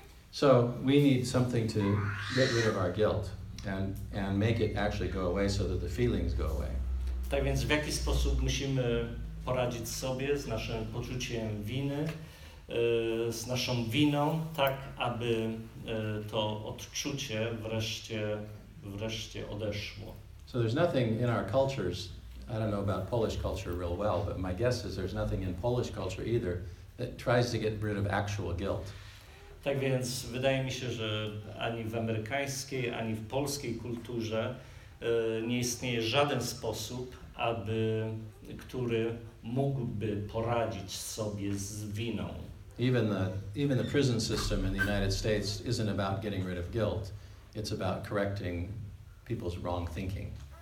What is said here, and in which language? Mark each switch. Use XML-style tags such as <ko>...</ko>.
<en>So we need something to get rid of our guilt and make it actually go away so that the feelings go away.</en> <pl>Tak więc w jaki sposób musimy poradzić sobie z naszym poczuciem winy, z naszą winą, tak aby to odczucie wreszcie odeszło.</pl> <en>So there's nothing in our cultures, I don't know about Polish culture real well, but my guess is there's nothing in Polish culture either that tries to get rid of actual guilt.</en> <pl>Tak więc wydaje mi się, że ani w amerykańskiej, ani w polskiej kulturze nie istnieje żaden sposób, który mógłby poradzić sobie z winą.</pl> <en>Even the prison system in the United States isn't about getting rid of guilt. It's about correcting people's wrong thinking.</en>